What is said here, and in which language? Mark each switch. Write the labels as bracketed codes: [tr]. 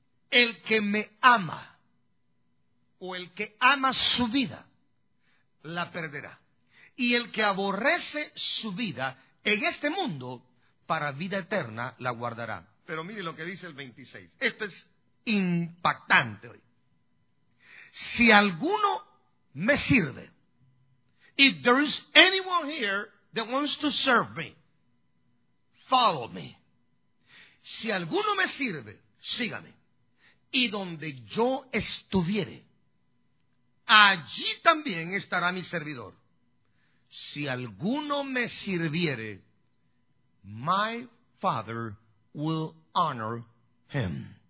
[es] El que me ama o el que ama su vida, la perderá. Y el que aborrece su vida en este mundo, para vida eterna la guardará. Pero mire lo que dice el 26. Esto es impactante hoy. Si alguno me sirve, [en] If there is anyone here that wants to serve me, follow me. [es] Si alguno me sirve, sígame. Y donde yo estuviere, allí también estará mi servidor. Si alguno me sirviere, [en] my father will honor him.